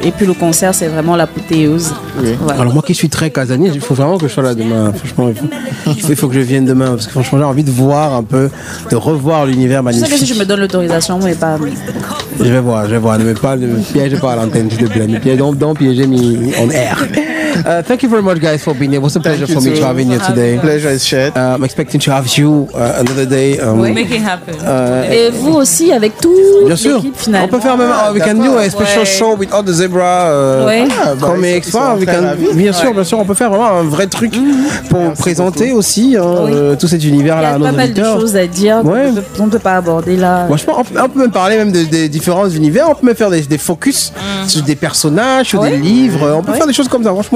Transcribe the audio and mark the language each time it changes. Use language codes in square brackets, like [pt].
[fr] Et puis le concert, c'est vraiment l'apothéose. Oui. Voilà. Alors, moi qui suis très casanier, il faut vraiment que je sois là demain. Franchement, il faut que je vienne demain. Parce que franchement, j'ai envie de voir un peu, de revoir l'univers magnifique. Je sais que si je me donne l'autorisation, mais pas. Je vais voir. Ne me piège pas à l'antenne, s'il te plaît. Donc, piégez-moi en air. [en] Thank you very much, guys, for being here. It was a pleasure thank for me too. To have you here today. Pleasure is shared. I'm expecting to have you another day. We'll make it happen. [fr] Et vous aussi, avec tout bien sûr. L'équipe finale. On peut faire même. [en] We can do a special show with all the Zebra comics. [fr] Bien sûr, on peut faire vraiment un vrai truc pour présenter aussi tout cet univers là. Il y a pas mal de choses à dire qu'on ne peut pas aborder là. Franchement, on peut même parler même des différents univers. On peut même faire des focus sur des personnages ou des livres. On peut faire des choses comme ça.